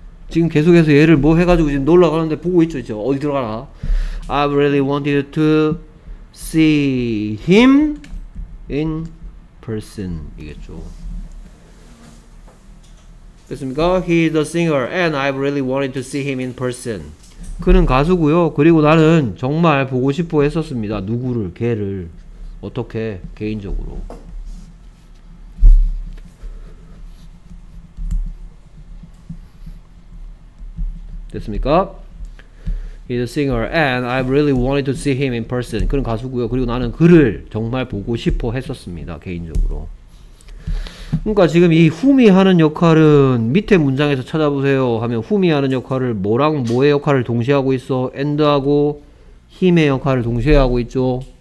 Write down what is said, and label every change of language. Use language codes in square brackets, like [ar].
[ko] 지금 계속해서 얘를 뭐 해가지고 지금 놀러 가는데 보고 있죠. 이제 어디 들어가나. [en] I've really wanted to see him in person [ko] 이겠죠. 됐습니까? [en] He's a singer and I've really wanted to see him in person. [ko] 그는 가수고요. 그리고 나는 정말 보고 싶어 했었습니다. 누구를? 걔를. 어떻게? 개인적으로. 됐습니까? [en] He's a singer and I really wanted to see him in person. [ko] 그는 가수고요. 그리고 나는 그를 정말 보고 싶어 했었습니다. 개인적으로. 그러니까 지금 이 whom이 하는 역할은 밑에 문장에서 찾아보세요 하면 whom이 하는 역할을 뭐랑 뭐의 역할을 동시에 하고 있어? and하고 him의 역할을 동시에 하고 있죠.